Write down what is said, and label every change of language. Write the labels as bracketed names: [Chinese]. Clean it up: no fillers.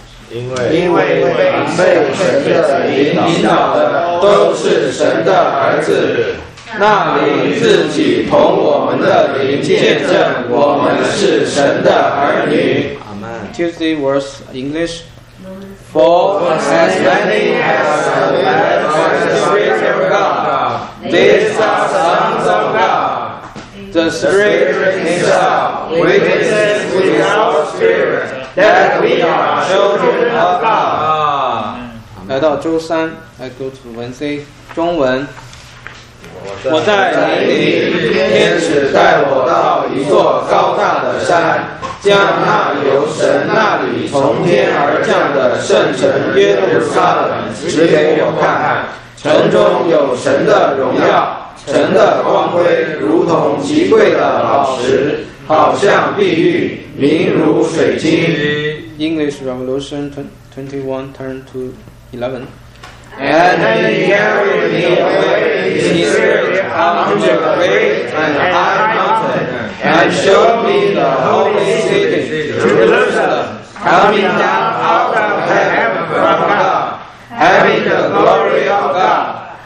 [Chinese] 因为被神的灵引导的都是神的儿子，那灵自己同我们的灵见证，我们是神的儿女。 [English] Amen. Tuesday verse English. For as many as have led by the Spirit of God, these are sons of God. The Spirit himself witnesses with our spirit. That we are children of God. [Chinese] 来到周三 [English] I go to Wednesday. [Chinese] 中文我在灵里天使带我到一座高大的山，将那由神那里从天而降的圣城耶路撒冷指给我看看，城中有神的荣耀，城的光辉如同极贵的宝石，好像碧玉，明如水晶。 [English] English Revolution 21 turn to 11. And he carried me away in his spirit unto a great and high mountain, and showed me the holy city, Jerusalem, coming down out of heaven from God, having the glory of God.